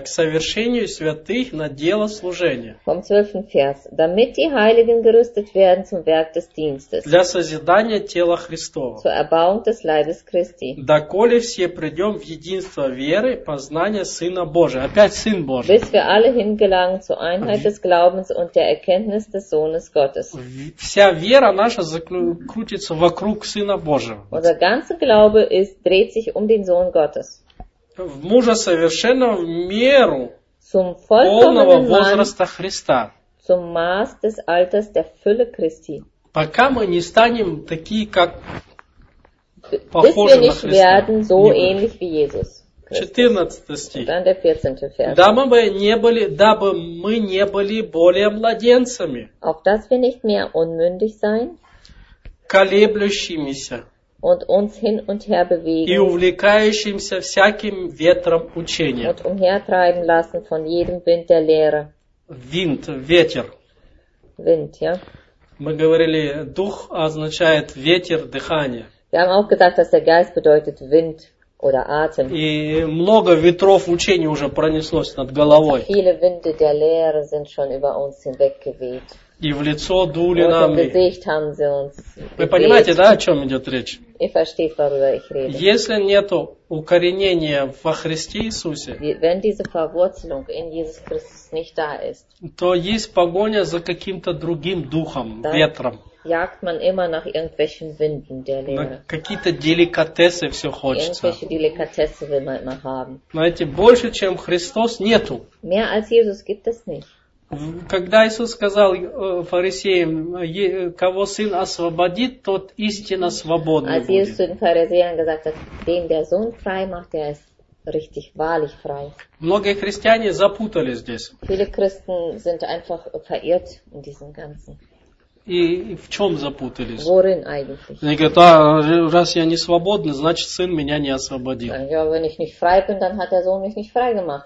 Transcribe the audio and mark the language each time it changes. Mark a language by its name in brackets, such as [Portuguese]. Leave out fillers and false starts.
[Russian] К совершению святых на дело служения. [German] Vom 12. Vers. Damit die Heiligen gerüstet werden zum Werk des Dienstes. [Russian] Для созидания тела Христова. [German] Zur Erbauung des Leibes Christi. [Russian] Доколе все придем в единство веры, познания Сына Божия. Опять Сын Божий. [German] Bis wir alle hingelangen zur Einheit des Glaubens und der Erkenntnis des Sohnes Gottes. [Russian] Вся вера наша крутится вокруг Сына Божия. [German] Unser ganzer Glaube ist, dreht sich den Sohn Gottes. [Russian] В мужа совершенно в меру [German] zum [Russian] полного возраста Христа. [German] Zum Maß des Alters der Fülle Christi. [Russian] Пока мы не станем такие, как похожи на Христа. So 14 стих. [German] Dann der 14. Vers. [Russian] Дабы мы не были более младенцами. [German] Auch dass wir nicht mehr unmündig sein. [Russian] Колеблющимися. [German] Und uns hin und her bewegen. [Russian] И увлекающимся всяким ветром учения. [German] Und umhertreiben lassen von jedem Wind der Lehre. Wind, ветер. Wind, ja. [Russian] Мы говорили, дух означает ветер, дыхание. [German] Wir haben auch gedacht, dass der Geist bedeutet Wind oder Atem. [Russian] И много ветров учения уже пронеслось над головой. [German] So viele Winde der Lehre sind schon über uns hinweggeweht. [Russian] И в лицо дули нам. Вы понимаете, да, о чем идет речь? Если нет укоренения во Христе Иисусе, [German] wenn diese Verwurzelung in Jesus Christus nicht da ist, [Russian] то есть погоня за каким-то другим духом, [German] dann [Russian] ветром. [German] Jagt man immer nach irgendwelchen Winden der Lehre. [Russian] На какие-то деликатесы все хочется. [German] Irgendwelche Delikatesse will man immer haben. [Russian] Знаете, больше, чем Христос, нету. [German] Mehr als Jesus gibt es nicht. [Russian] Когда Иисус сказал фарисеям, кого Сын освободит, тот истинно свободный будет. [German] Als Jesus zu den Pharisäern gesagt hat, den der Sohn frei macht, der ist richtig wahrlich frei. [Russian] Многие христиане запутались здесь. [German] Viele Christen sind einfach verirrt in diesem Ganzen. [Russian] И в чем запутались? [German] Worin eigentlich? [Russian] Они говорят, раз я не свободный, значит Сын меня не освободил. [German] Ja, wenn ich nicht frei bin, dann hat der Sohn mich nicht frei gemacht.